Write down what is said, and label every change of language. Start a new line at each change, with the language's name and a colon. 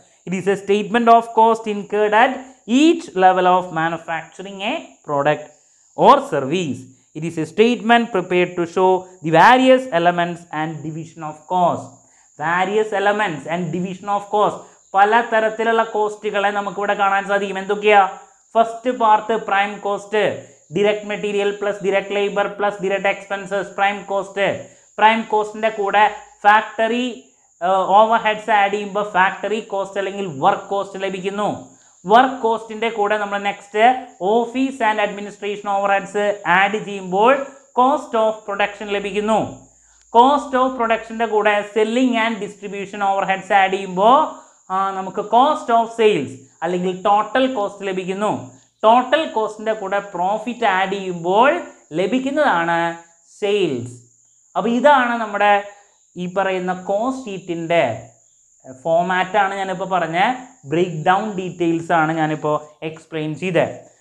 English: It is a statement of cost incurred at each level of manufacturing a product or service. It is a statement prepared to show the various elements and division of cost. Various elements and division of cost,
Malayalam: പല തരത്തിലുള്ള കോസ്റ്റുകളെ നമുക്കിവിടെ കാണാൻ സാധിക്കും. എന്തൊക്കെയാ?
English: First part prime cost, direct material plus direct labor plus direct expenses prime cost. Prime cost ന്റെ കൂടെ factory overheads add
Malayalam: ചെയ്യുമ്പോൾ
English: factory cost
Malayalam: അല്ലെങ്കിൽ
English: work cost
Malayalam: ലഭിക്കുന്നു.
English: Work cost ന്റെ
Malayalam: കൂടെ നമ്മൾ
English: next office and administration overheads add
Malayalam: ചെയ്യുമ്പോൾ
English: cost of production
Malayalam: ലഭിക്കുന്നു.
English: Cost of production ന്റെ കൂടെ selling and distribution overheads add
Malayalam: ചെയ്യുമ്പോൾ നമുക്ക്
English: cost of sales
Malayalam: അല്ലെങ്കിൽ ടോട്ടൽ കോസ്റ്റ് ലഭിക്കുന്നു. ടോട്ടൽ കോസ്റ്റിൻ്റെ കൂടെ പ്രോഫിറ്റ് ആഡ് ചെയ്യുമ്പോൾ ലഭിക്കുന്നതാണ് സെയിൽസ്. അപ്പോൾ ഇതാണ് നമ്മുടെ ഈ പറയുന്ന കോസ്റ്റ് ഷീറ്റിൻ്റെ ഫോമാറ്റാണ് ഞാനിപ്പോൾ പറഞ്ഞ ബ്രേക്ക് ഡൗൺ ഡീറ്റെയിൽസ് ആണ് ഞാനിപ്പോൾ എക്സ്പ്ലെയിൻ ചെയ്തത്.